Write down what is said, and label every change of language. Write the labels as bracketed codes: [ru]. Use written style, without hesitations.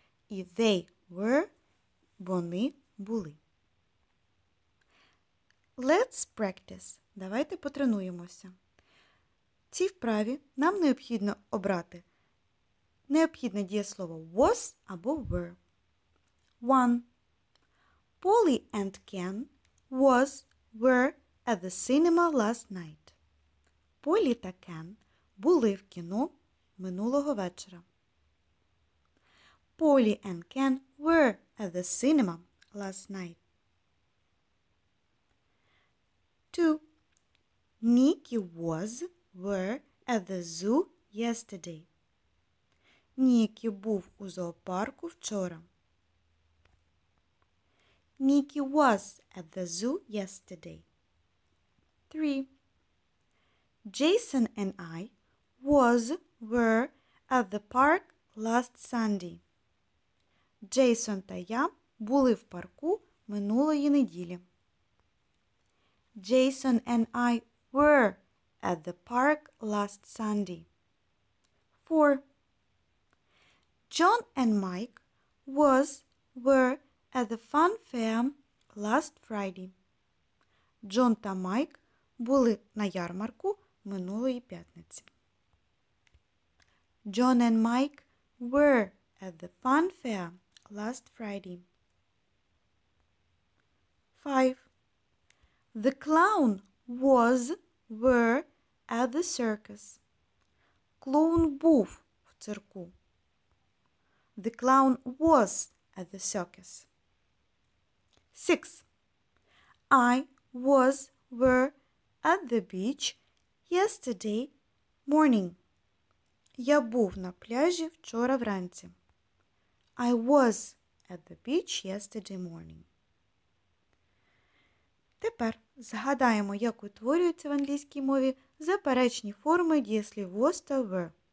[uk] І [en] they were [uk] – вони були. [en] Let's practice. [uk] Давайте потренуємося. В цій вправі нам необхідно обрати необхідне дієслово was або were. [en] One. Polly and Ken was, were at the cinema last night. [uk] Полі та Кен були в кіно минулого вечора. [en] Polly and Ken were at the cinema last night. Two. Nikki was, were at the zoo yesterday. [uk] Nikki був у зоопарку вчора. [en] Nikki was at the zoo yesterday. 3. Jason and I was, were at the park last Sunday. [uk] Jason та я були в парку минулої неділі. [en] Jason and I were at the park last Sunday. 4. John and Mike was, were at the fun fair last Friday. [uk] John та Mike були на ярмарку минулої п'ятниці. [en] John and Mike were at the fun fair last Friday. 5. The clown was, were at the circus. [uk] Клоун був в цирку. [en] The clown was at the circus. 6. I was, were at the beach yesterday morning. [uk] Я був на пляжі вчора вранці. [en] I was at the beach yesterday morning. [uk] Тепер згадаємо, як утворюються в англійській мові заперечні форми дієслів was та were.